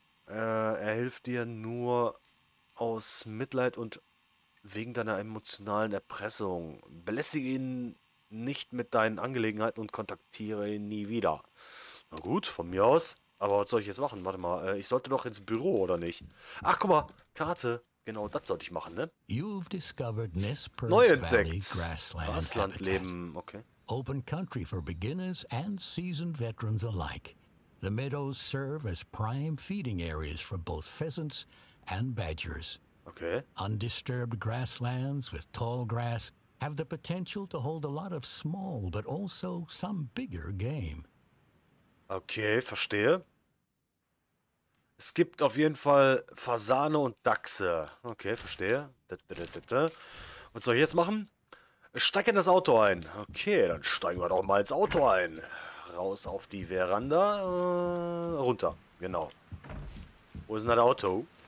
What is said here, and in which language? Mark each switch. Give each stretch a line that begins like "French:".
German: Er hilft dir nur aus Mitleid und wegen deiner emotionalen Erpressung. Belästige ihn nicht mit deinen Angelegenheiten und kontaktiere ihn nie wieder. Na gut, von mir aus. Aber was soll ich jetzt machen? Warte mal, ich sollte doch ins Büro, oder nicht? Ach, guck mal, Karte. Genau, das sollte ich machen, ne?
English: You've discovered
German: Neuentdeckt. Grasslandleben, okay.
English: Open country for beginners and seasoned veterans alike. The meadows serve as prime feeding areas for both pheasants and badgers. Okay. Undisturbed grasslands with tall grass have the potential to hold a lot of small, but also some bigger game.
German: Okay, verstehe. Es gibt auf jeden Fall Fasane und Dachse. Okay, verstehe. Was soll ich jetzt machen? Steig in das Auto ein. Okay, dann steigen wir doch mal ins Auto ein. Raus auf die Veranda. Runter, genau. Wo ist denn das Auto?